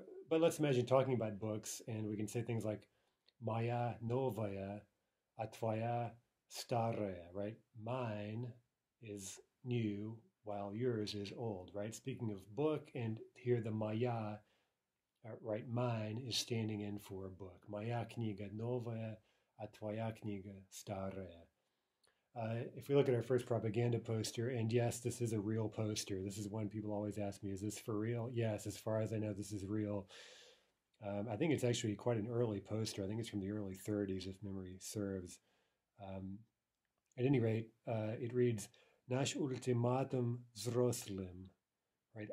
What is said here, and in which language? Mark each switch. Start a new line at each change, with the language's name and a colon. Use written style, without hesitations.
English: But let's imagine talking about books, and we can say things like
Russian: моя новая, а твоя старая,
English: right? Mine is new, while yours is old, right? Speaking of book, and here the моя, right? Mine is standing in for a book.
Russian: Моя книга новая, а твоя книга старая.
English: If we look at our first propaganda poster, and yes, this is a real poster. This is one people always ask me, is this for real? Yes, as far as I know, this is real. I think it's actually quite an early poster. I think it's from the early 30s, if memory serves. At any rate, it reads,
Russian: Наш ультиматум взрослым,
English: right?